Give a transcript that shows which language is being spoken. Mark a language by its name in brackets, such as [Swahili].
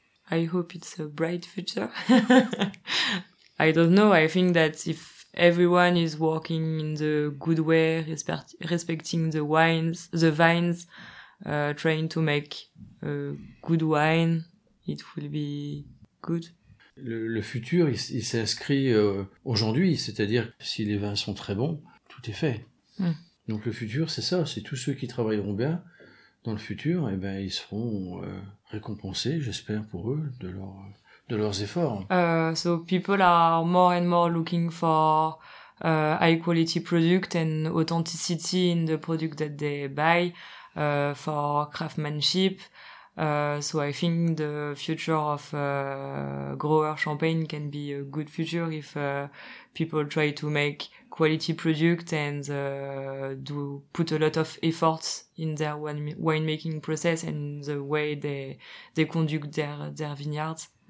[English] I hope it's a bright future. I don't know. I think that if everyone is working in the good way, respecting the vines, trying to make a good wine, it will be good. [French] Le futur, il s'inscrit aujourd'hui, c'est-à-dire si les vins sont très bons, tout est fait. Donc le futur, c'est ça, c'est tous ceux qui travailleront bien dans le futur, et ben ils seront récompensés, j'espère pour eux, de leurs efforts. [English] So people are more and more looking for high quality product and authenticity in the product that they buy, for craftsmanship. So I think the future of grower champagne can be a good future if people try to make quality product and put a lot of effort in their winemaking process and the way they conduct their vineyards.